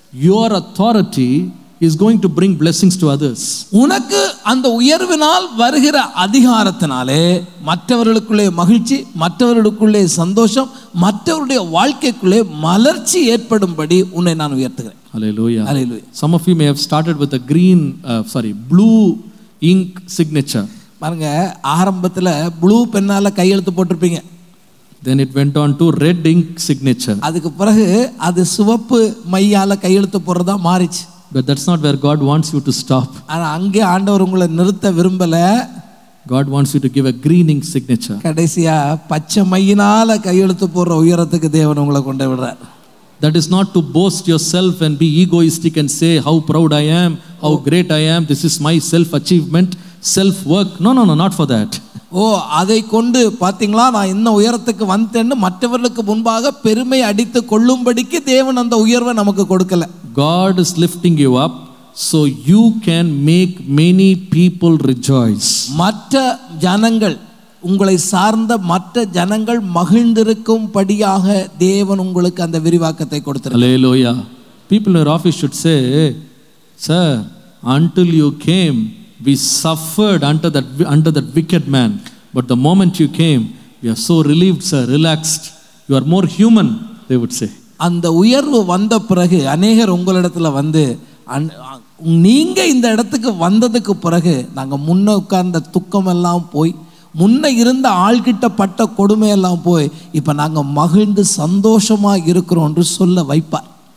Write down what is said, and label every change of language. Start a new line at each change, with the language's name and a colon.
English: Your authority is going to bring blessings to others.
Tamil: உனக்கு அந்த உயர்வினால் வருகிற அதிகாரத்தினாலே மற்றவர்களுக்குள்ளே மகிழ்ச்சி, மற்றவர்களுக்குள்ளே சந்தோஷம், மற்றவருடைய வாழ்க்கைக்குள்ளே மலர்ச்சி ஏற்படும்படி உன்னை நான் உயர்த்துகிறேன்.
English: Hallelujah. Hallelujah. Some of you may have started with a green, blue ink signature.
Tamil: பாருங்க, ஆரம்பத்தில் ப்ளூ பென்னால் கையெழுத்து போட்டிருப்பீங்க.
English: Then it went on to red ink signature.
Tamil: அதுக்கு பிறகு அது சிவப்பு மையால் கையெழுத்து போடுறதா மாறிச்சு.
English: But that's not where God wants you to stop.
Tamil: ஆனா அங்கே ஆண்டவர் உங்களை நிறுத்த விரும்பல.
English: God wants you to give a greening signature.
Tamil: கடைசியா பச்சை மையினால கையெழுத்து போற உயரத்துக்கு தேவன் உங்களை கொண்டு விடுறார்.
English: That is not to boast yourself and be egoistic and say how proud I am, how great I am, this is my self achievement, self work. No, not for that.
Tamil: ஓ, அதை கொண்டு பாத்தீங்களா, நான் என்ன உயரத்துக்கு வந்தேன்னு மற்றவர்களுக்கு முன்பாக பெருமை அடித்து கொள்ளும்படிக்கு தேவன் அந்த உயர்வை நமக்கு கொடுக்கல.
English: God is lifting you up so you can make many people rejoice.
Tamil: மற்ற ஜனங்கள், உங்களை சார்ந்த மற்ற ஜனங்கள் மகிழ்ந்திருக்கும்படியாக தேவன் உங்களுக்கு அந்த விரிவாக்கத்தை கொடுத்திருக்கார்.
English: Hallelujah. People in your office should say, sir, until you came we suffered under that wicked man, but the moment you came we are so relieved, sir, relaxed, you are more human, they would say.
Tamil: அந்த உயர்வு வந்த பிறகு அநேகர் உங்களிடத்துல வந்து, நீங்க இந்த இடத்துக்கு வந்ததுக்கு பிறகு நாங்க முன்ன உட்கார்ந்த துக்கம் எல்லாம் போய், முன்ன இருந்த ஆள்கிட்ட பட்ட கொடுமை எல்லாம் போய், இப்ப நாங்க மகிழ்ந்து சந்தோஷமா இருக்கிறோம் சொல்ல வைப்பார்.